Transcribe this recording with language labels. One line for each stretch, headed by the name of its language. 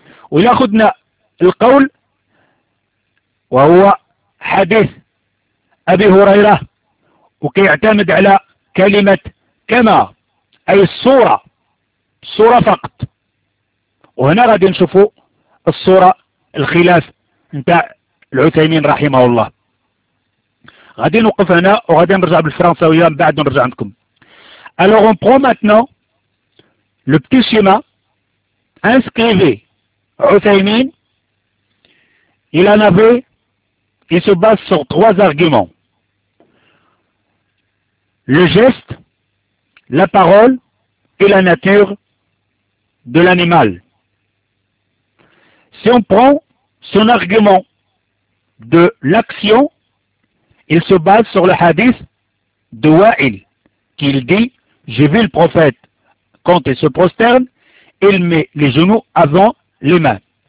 Arabic: ويأخذنا القول وهو حديث أبي هريرة وكيعتمد على كلمة كما أي الصورة، صورة فقط. وهنا غادي نشوفوا الصورة الخلاف نتاع العثيمين رحمه الله. غادي نوقف هنا وغادي نرجع بالفرنساوية من بعد نرجع عندكم.
French: Alors on prend maintenant le petit schéma. Inscrivez عثيمين. Il en avait, il se base sur trois arguments. Le geste, la parole et la nature de l'animal. Si on prend son argument de l'action, il se base sur le hadith de Wa'il, qu'il dit, j'ai vu le prophète quand il se prosterne, il met les genoux avant les mains.